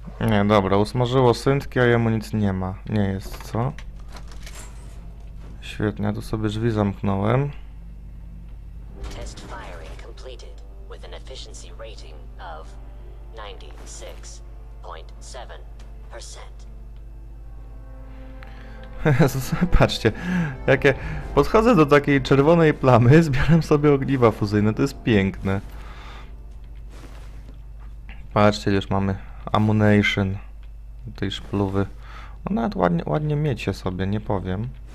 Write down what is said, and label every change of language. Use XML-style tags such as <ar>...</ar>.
<pl>Nie, dobra, usmażyło syntki, a jemu nic nie ma. Nie jest, co? Świetnie, tu sobie drzwi zamknąłem.</pl> <en>Test firing completed with an efficiency rating of 96.7%.</en> <pl>Patrzcie, jakie. Podchodzę do takiej czerwonej plamy, zbieram sobie ogniwa fuzyjne, to jest piękne. Patrzcie, już mamy ammunition tej szpluwy. No nawet ładnie, ładnie miecie sobie, nie powiem.</pl>